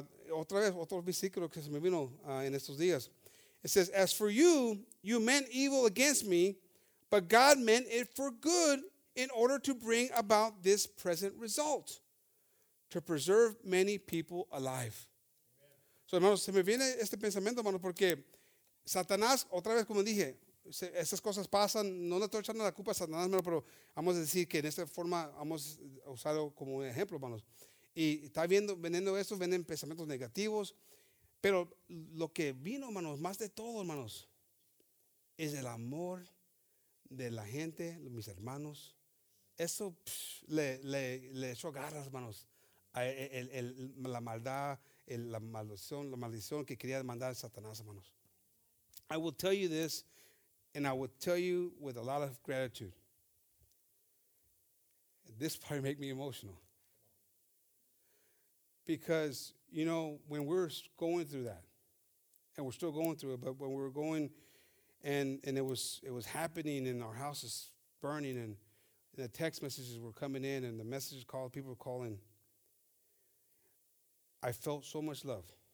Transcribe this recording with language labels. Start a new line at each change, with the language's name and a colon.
Spanish: Otra vez, otro versículo que se me vino en estos días.
English: It says, as for you, you meant evil against me, but God meant it for good in order to bring about this present result, to preserve many people alive. Amen.
Spanish: So, hermanos, se me viene este pensamiento, hermanos, porque Satanás, otra vez, como dije, esas cosas pasan, no le estoy echando la culpa a Satanás, pero vamos a decir que en esta forma vamos a usarlo como un ejemplo, hermanos. Y está viendo eso, vienen pensamientos negativos, pero lo que vino, hermanos, más de todo, hermanos, es el amor de la gente, mis hermanos. Eso le echó garras, hermanos, la maldad, la maldición que quería mandar Satanás, hermanos.
English: I will tell you this, and I will tell you with a lot of gratitude. This probably make me emotional. Because, you know, when we're going through that, and we're still going through it, but when we're going and it was happening and our house is burning and the text messages were coming in and the messages called, people were calling, I felt so much love.